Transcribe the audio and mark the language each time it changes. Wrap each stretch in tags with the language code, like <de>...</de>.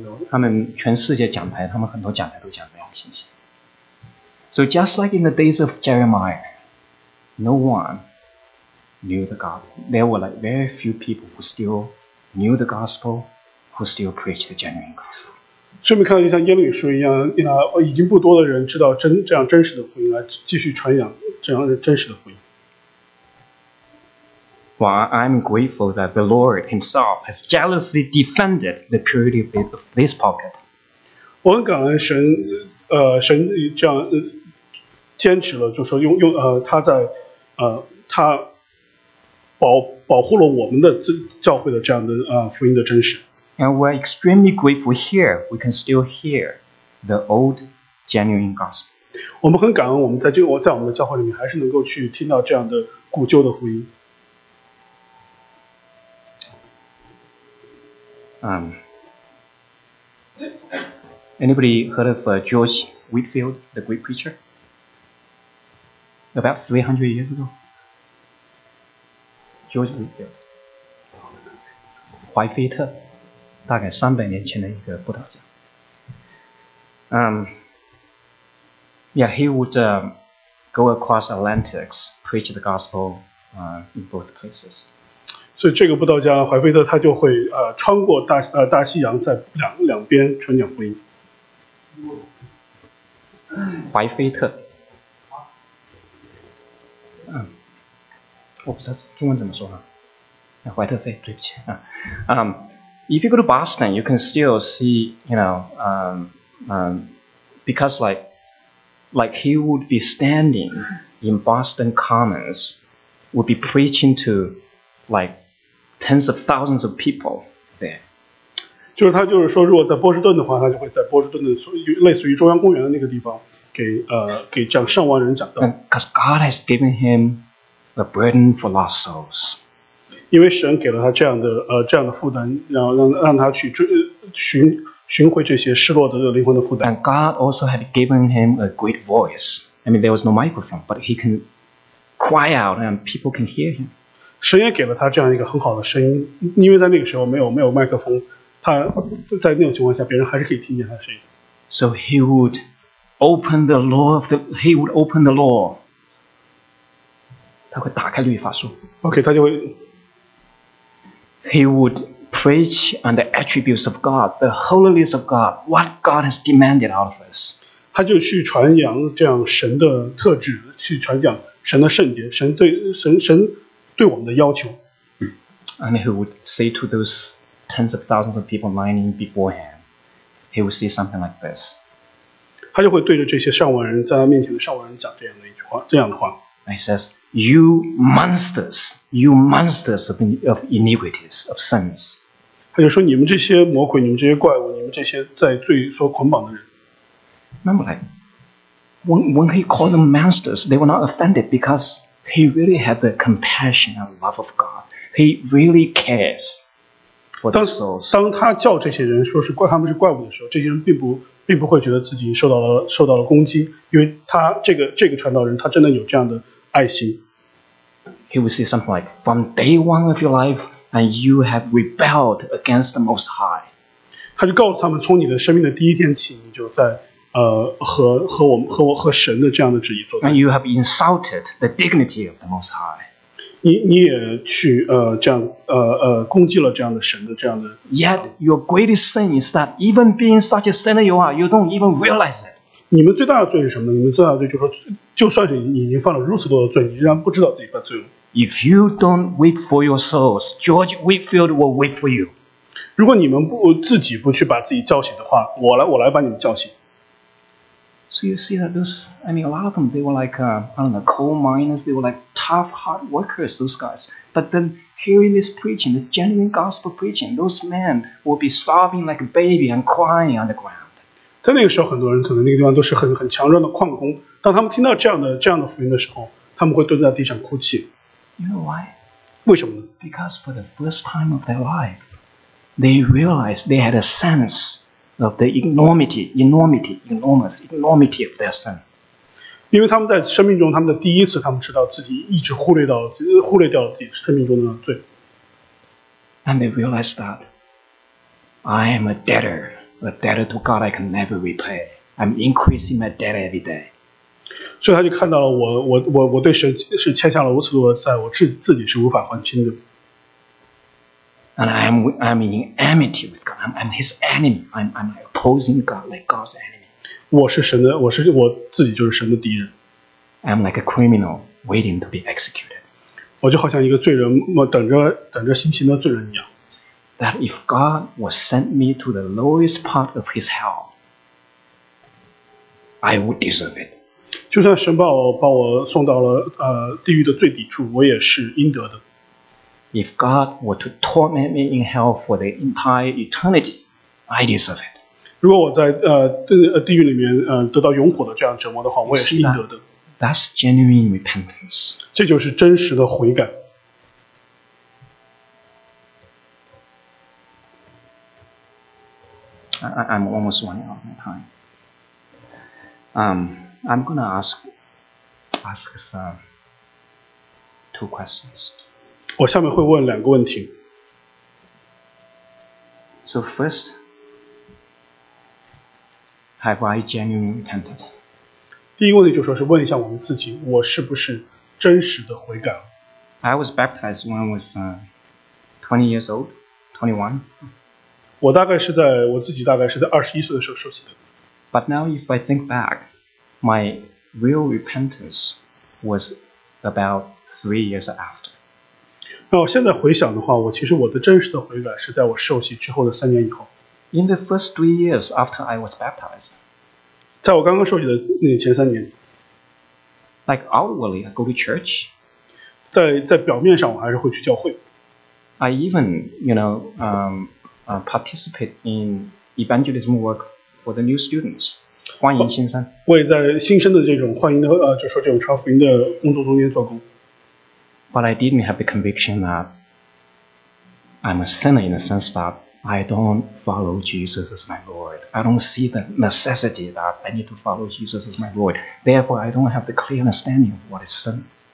<zh>他们全世界讲台，他们很多讲台都讲这样的信息。</zh> <en>So just like in the days of Jeremiah, no one knew the gospel. There were like very few people who still knew the gospel, who still preached the genuine gospel.</en> <zh>顺便看到就像耶利米书一样，已经不多的人知道这样真实的福音，来继续传扬这样真实的福音。</zh> <en>Well, I'm grateful that the Lord Himself has jealously defended the purity of this pulpit.</en> <zh>我很感恩神这样坚持了，就说用他在他保护了我们的教会的这样的福音的真实。</zh> <en>And we're extremely grateful here. We can still hear the old genuine gospel.</en> <zh>我们很感恩，我们在我们的教会里面还是能够去听到这样的古旧的福音。</zh> <en>Anybody heard of George Whitefield, the great preacher? About 300 years ago, George Whitefield, 怀菲特。</en> <zh>大概300年前的一个布道家。</zh> <en>He would go across Atlantics, preach the gospel in both places.</en> <zh>所以这个布道家怀菲特他就会穿过大西洋，在两边传讲福音。怀菲特，我不知道中文怎么说啊，怀特菲，对不起啊，</zh> <en>If you go to Boston, you can still see, because like he would be standing in Boston Commons, would be preaching to like tens of thousands of people there.</en> <zh>就是他就是说，如果在波士顿的话，他就会在波士顿的类似于中央公园的那个地方给这样上万人讲道。</zh> <en>Because God has given him the burden for lost souls.</en> <zh>因为神给了他这样的负担，然后让他去寻回这些失落的灵魂的负担。</zh> <en>And God also had given him a great voice. I mean, there was no microphone, but he can cry out and people can hear him.</en> <zh>神也给了他这样一个很好的声音，因为在那个时候没有麦克风，他在那种情况下，别人还是可以听见他的声音。</zh> <en>So he would open the law of the he would open the law.</en> <zh>他会打开律法书。 Okay, 他就会。</zh> <en>He would preach on the attributes of God, the holiness of God, what God has demanded out of us.</en> <zh>他就去传扬这样神的特质，去传扬神的圣洁，神对我们的要求。</zh> <en>And he would say to those tens of thousands of people lining beforehand, he would say something like this.</en> <zh>他就会对着这些上万人在他面前的上万人讲这样的一句话，这样的话。</zh> <en>He says, you monsters of iniquities, of sins.</en> <zh>他就说你们这些魔鬼，你们这些怪物，你们这些在罪所捆绑的人。</zh> <en>Remember, like, when he called them monsters, they were not offended because he really had the compassion and love of God. He really cares for the souls.</en> <zh>当他叫这些人说是怪他们是怪物的时候，这些人并不会觉得自己受到了攻击，因为他这个传道人他真的有这样的爱心。</zh> <en>He would say something like, "From day one of your life, and you have rebelled against the Most High."</en> <zh>他就告诉他们，从你的生命的第一天起，你就在和神的这样的旨意作对。</zh> <en>And you have insulted the dignity of the Most High.</en> <zh>你也去攻击了这样的神的这样的。</zh> <en>Yet your greatest sin is that even being such a sinner you are, you don't even realize it.</en> <zh>你们最大的罪是什么？你们最大的罪就是说，就算是你已经犯了如此多的罪，你仍然不知道自己犯罪了。</zh> <en>If you don't weep for your souls, George Whitefield will weep for you.</en> <zh>如果你们自己不去把自己叫醒的话，我来把你们叫醒。</zh> <en>So you see that those, I mean, a lot of them, they were like, I don't know, coal miners, they were like tough, hard workers, those guys. But then hearing this preaching, this genuine gospel preaching, those men will be sobbing like a baby and crying on the ground.</en> <zh>在那个时候，很多人可能那个地方都是很强壮的矿工，当他们听到这样的福音的时候，他们会蹲在地上哭泣。</zh> <en>You know why?</en> <zh>为什么呢？</zh> <en>Because for the first time of their life, they realized they had a sense of the enormity of their sin.</en> <zh>因为他们在生命中，他们的第一次，他们知道自己一直忽略掉了自己生命中的罪。</zh> <en>And they realized that I am a debtor to God I can never repay. I'm increasing my debt every day.</en> <zh>所以他就看到了我对神是欠下了如此多的债，我自己是无法还清的。</zh> <en>And I'm in enmity with God. I'm his enemy. I'm opposing God like God's enemy.</en> <zh>我自己就是神的敌人。</zh> <en>I'm like a criminal waiting to be executed.</en> <zh>我就好像一个罪人，我等着行刑的罪人一样。</zh> <en>That if God would send me to the lowest part of his hell, I would deserve it.</en> <zh>就算神把我送到了地狱的最底处，我也是应得的。</zh> <en>If God were to torment me in hell for the entire eternity, I deserve it.</en> <zh>如果我在地狱里面得到永苦的这样折磨的话，我也是应得的。</zh> <en>That's genuine repentance.</en> <zh>这就是真实的悔改。</zh> <en>I'm almost running out of time. I'm gonna ask some two questions.</en> <zh>我下面会问两个问题。</zh> <en>So first, have I genuinely repented?</en> <zh>第一个问题就是说是问一下我们自己，我是不是真实的悔改</zh> <en>了？ I was baptized when I was 20 years old, 21.</en> <zh>我自己大概是在21岁的时候受洗的。</zh> <en>But now if I think back, my real repentance was about 3 years after.</en> <zh>那我现在回想的话，我其实我的真实的悔改是在我受洗之后的3年以后。</zh> <en>In the first 3 years after I was baptized，</en> <zh>在我刚刚受洗的那前3年</zh> <en>，Like outwardly I go to church，</en> <zh>在表面上我还是会去教会。</zh> <en>I even you know participate in evangelism work for the new students.</en> <zh>欢迎新生。为在新生的这种欢迎的就说这种传福音的工作中间做工。</zh> <en>But I didn't have the conviction that I'm a sinner in the sense that I don't follow Jesus as my Lord. I don't see the necessity that I need to follow Jesus as my Lord. Therefore, I don't have the clear understanding of what is sin.</en>